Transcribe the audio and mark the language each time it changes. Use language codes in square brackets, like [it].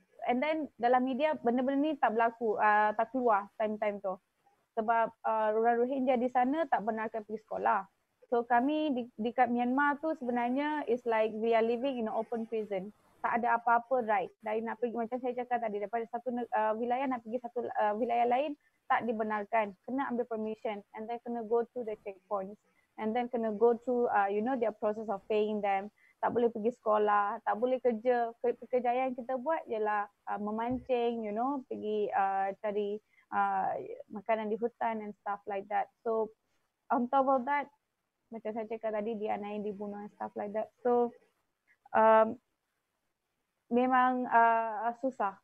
[en] And then, [ms] dalam media, benda-benda ni tak berlaku, tak keluar time-time tu. Sebab orang Rohingya di sana tak benarkan pergi sekolah. [en] So [ms] kami dekat Myanmar tu sebenarnya [en] is like we are living in an open prison. [ms] Tak ada apa-apa right. Dari nak pergi macam saya cakap tadi, daripada satu wilayah nak pergi satu wilayah lain tak dibenarkan. Kena ambil [en] permission and then kena go through the checkpoints. And then kena go through you know their process of paying them. [ms] Tak boleh pergi sekolah, tak boleh kerja. Pekerjaan yang kita buat ialah memancing, [en] you know, [ms] pergi cari makanan di hutan [en] and stuff like that. [ms] So on top of that, macam saya cakap tadi, dianiaya, dibunuh [en] and stuff like that. [ms] So memang susah.